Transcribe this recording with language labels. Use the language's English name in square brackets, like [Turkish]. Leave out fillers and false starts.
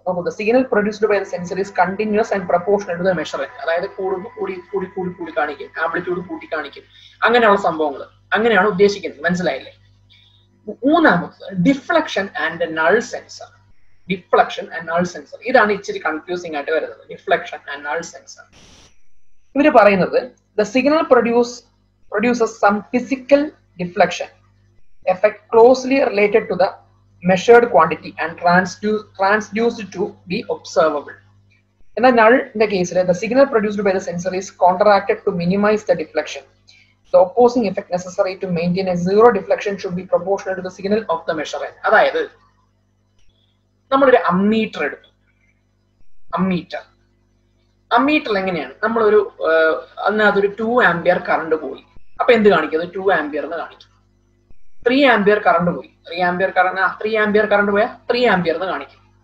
[English] നോക്കൂ, the signal produced by the sensor is continuous and proportional to the measurand. [Malayalam] അതായത് കൂടുമ്പോൾ കൂടി കൂടി കൂടി കൂടി കാണിക്കും, ആംപ്ലിറ്റ്യൂഡ് കൂട്ടി കാണിക്കും, അങ്ങനെയുള്ള സംഭവങ്ങൾ അങ്ങനെയാണ് ഉദ്ദേശിക്കുന്നത്. മനസ്സിലായില്ലേ? മൂന്നാമത്തത് deflection and null sensor. Deflection and null sensor, ഇതാണ് ഇച്ചിരി കൺഫ്യൂസിംഗ് ആയിട്ട് വരുന്നത്. [English] deflection and null sensor, [Malayalam] ഇവർ പറയുന്നത് [English] The signal produces some physical deflection effect closely related to the measured quantity and transduced to be observable. In the null case, the signal produced by the sensor is counteracted to minimize the deflection. The opposing effect necessary to maintain a zero deflection should be proportional to the signal of the measurement. [Malayalam] അതായത് നമ്മൾ ഒരു ammeter എടുത്തു. Ammeter എങ്ങനെയാണ്, നമ്മളൊരു അതിനകത്തൊരു 2 ampere current പോയി, അപ്പൊ എന്ത് കാണിക്കും? അത് 2 ആമ്പിയർ എന്ന് കാണിക്കും. 3 ആമ്പിയർ കറണ്ട് പോയി, 3 ആമ്പിയർ എന്ന് കാണിക്കും.